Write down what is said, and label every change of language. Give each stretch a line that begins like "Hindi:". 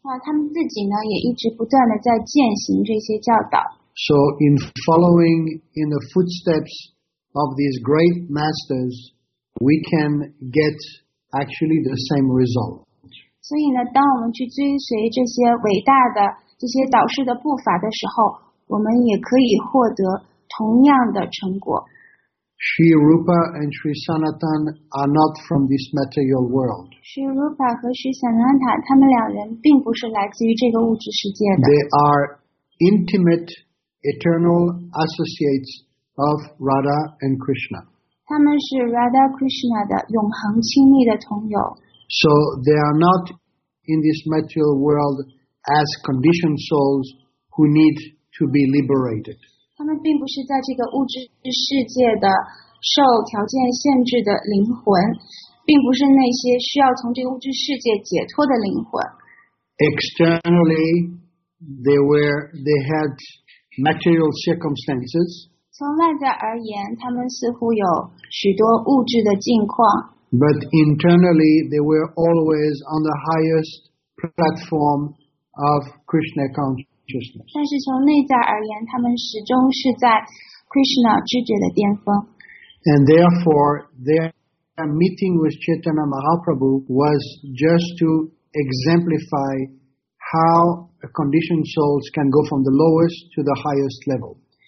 Chinese: 他们自己呢，也一直不断的在践行这些教导。
English: So in following in the footsteps of these great masters, we can get actually the same result.
Chinese: 所以呢，当我们去追随这些伟大的这些导师的步伐的时候，我们也可以获得同样的成果。
English: Sri Rupa and Sri Sanatan are not from this material world.
Chinese: Sri Rupa 和 Sri Sanatan 他们两人并不是来自于这个物质世界的。
English: They are intimate, eternal associates of Radha and Krishna.
Chinese: 他们是 Radha Krishna 的永恒亲密的同友。
English: So they are not in this material world as conditioned souls who need to be liberated.
Chinese: 他们并不是在这个物质世界的受条件限制的灵魂，并不是那些需要从这个物质世界解脱的灵魂。
English: Externally, they had material circumstances.
Chinese: 从外在而言，他们似乎有许多物质的境况。
English: But internally, they were always on the highest platform of Krishna consciousness.
Chinese: 但是从内在而言，他们始终是在 Krishna 知觉的巅峰。
English: And therefore, their meeting with Chaitanya Mahaprabhu was just to exemplify how conditioned souls can go from the lowest to the highest level.